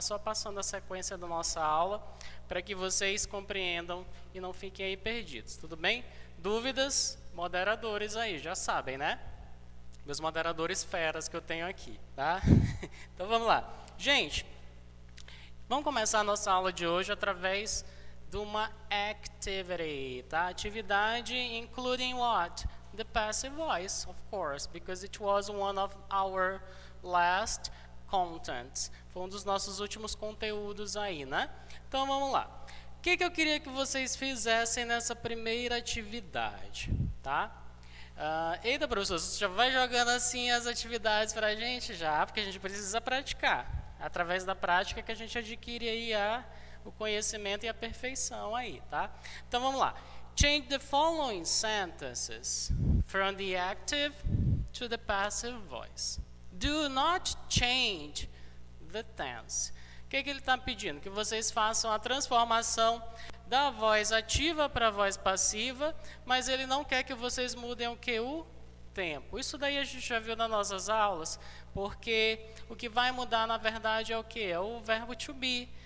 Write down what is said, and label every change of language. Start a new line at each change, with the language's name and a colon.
Portuguese: Só passando a sequência da nossa aula para que vocês compreendam e não fiquem aí perdidos, tudo bem? Dúvidas? Moderadores aí, já sabem, né? Meus moderadores feras que eu tenho aqui, tá? Então vamos lá. Gente, vamos começar a nossa aula de hoje através de uma activity, tá? Atividade,
English: including what? The passive voice, of course, because it was one of our last contents.
Portuguese: Foi um dos nossos últimos conteúdos aí, né? Então vamos lá. O que que eu queria que vocês fizessem nessa primeira atividade, tá? Eita, professor, você já vai jogando assim as atividades pra gente já, porque a gente precisa praticar. Através da prática que a gente adquire aí o conhecimento e a perfeição aí, tá? Então vamos lá.
English: Change the following sentences from the active to the passive voice. Do not change the tense.
Portuguese: O que que ele está pedindo? Que vocês façam a transformação da voz ativa para voz passiva, mas ele não quer que vocês mudem o quê? O tempo. Isso daí a gente já viu nas nossas aulas, porque o que vai mudar, na verdade, é o quê? É o verbo to be.